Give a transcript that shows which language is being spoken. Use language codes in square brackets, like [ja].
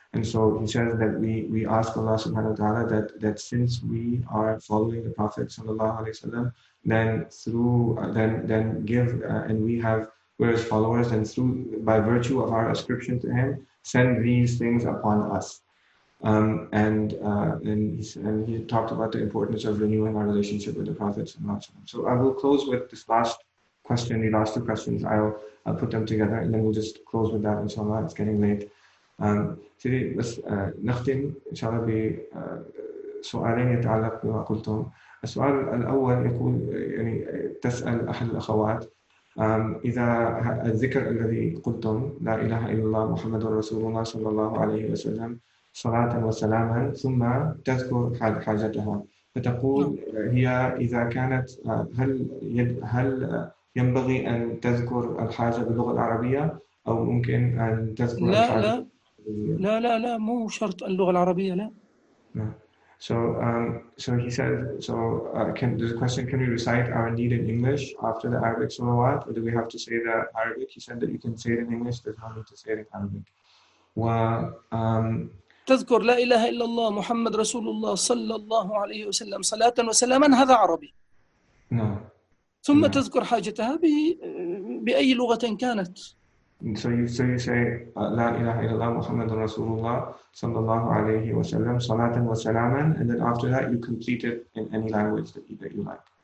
[en] And so he says that we ask Allah subhanahu wa ta'ala that since we are following the Prophet sallallahu alayhi wa sallam, we're his followers, and through by virtue of our ascription to him, send these things upon us. And he talked about the importance of renewing our relationship with the Prophet. So I will close with this last question, the last two questions. I'll put them together and then we'll just close with that, inshallah. It's getting late. [ar] Sidi, [en] let's [ar] نختم inshallah be سؤالين يتعلق بما قلتم. السؤال الأول يقول يعني تسأل أحد الأخوات إذا الذكر الذي قلتم لا إله إلا الله محمد رسول الله صلى الله عليه وسلم صلاة وسلاما ثم تذكر حاجتها فتقول هي إذا كانت هل ينبغي أن تذكر الحاجة باللغة العربية أو ممكن أن تذكر لا الحاجة لا, لا لا لا مو شرط اللغة العربية لا [en] So he said, there's a question, can we recite our need in English after the Arabic salawat, or do we have to say the Arabic? He said that you can say it in English, there's no need to say it in Arabic. [ar] تذكر لا إله إلا الله محمد رسول الله صلى الله عليه وسلم صلاة وسلاما هذا عربي. [en] No. [ar] ثم [en] no. [ar] تذكر حاجتها بأي لغة كانت. [en] So you say [ar] لا إله إلا الله محمد رسول الله صلى الله عليه وسلم صلاة وسلاما, [en] and then after that you complete it in any language that you like.